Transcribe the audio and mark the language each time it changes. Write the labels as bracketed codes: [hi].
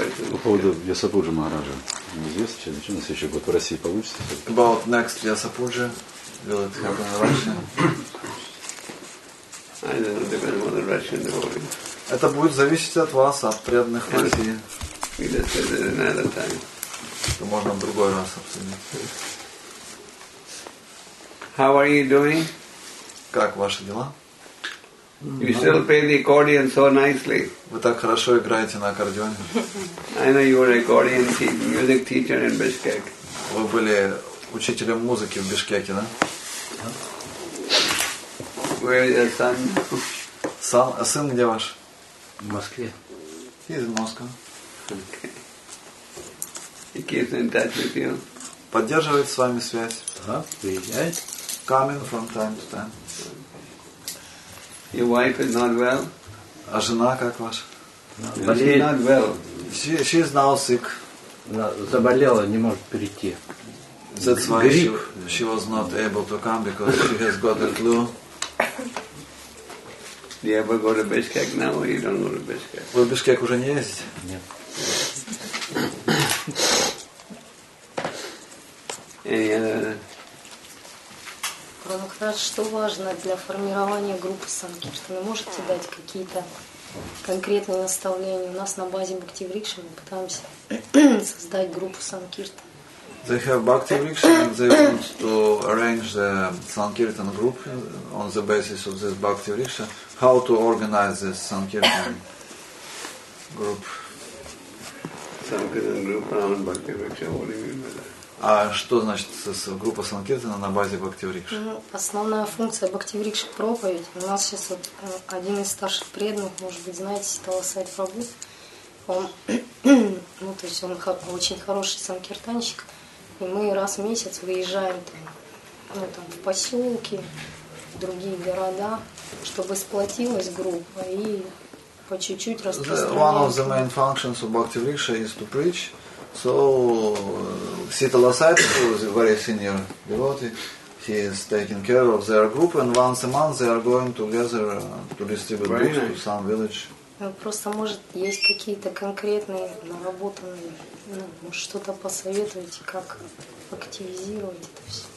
[ru] По поводу Вьясапуджи Махараджа. Неизвестно, что у нас еще год в России получится. [en] About next Vyasapuja, will it happen in Russia? I don't know, depends on the Russian devotee. [ru] Это будет зависеть от вас, от преданных в России. [en] We just said it another time. [ru] Это можно в другой раз обсудить. [en] How are you doing? [ru] Как ваши дела? [en] You still play the accordion so nicely. [ru] Вы так хорошо играете на аккордеоне. [en] I know you were an accordion music teacher in Bishkek. [ru] Вы были учителем музыки в Бишкеке, да? [en] Where is your son? [ru] Сам, а сын где ваш? В Москве. [en] He's in Moscow. Okay. He keeps in touch with you. [ru] Поддерживает с вами связь. Да, приезжает. [en] Coming from time to time. Your wife is not well. [ru] А жена как ваша? [en] She's not well. She is now sick. [ru] Она заболела, не может прийти. [en] That's why she was not able to come because she has got the flu. Do you ever go to Bishkek now or you don't go to Bishkek? [ru] Вы в Бишкек уже не ездите? Нет. [en] Any other? [ru] Что важно для формирования группы Санкиртаны? Можете дать какие-то конкретные наставления? У нас на базе Бхакти Врикши мы пытаемся создать группу Санкиртан. [en] They have Bhakti Vriksha and they want to arrange the Sankirtan group on the basis of this Bhakti Vriksha. How to organize this Sankirtan group? Sankirtan group around Bhakti Vriksha, what do you mean by that? [ru] А что значит группа Санкиртана на базе Бхакти Врикши? Ну, основная функция Бхакти Врикши – проповедь. У нас сейчас вот один из старших преданных, может быть, знаете, Талласайт Прабу. Он, ну, то есть он очень хороший санкиртанщик. И мы раз в месяц выезжаем там, ну, там, в поселки, в другие города, чтобы сплотилась группа и по чуть-чуть распространяется. [en] One of the main functions of Bhakti Vriksha is to preach. So, Sitala Saita, who is a very senior devotee, he is taking care of their group, and once a month they are going together to distribute books right. to some village. [ru] Просто может есть какие-то конкретные наработанные, ну, может что-то посоветуете, как активизировать это все?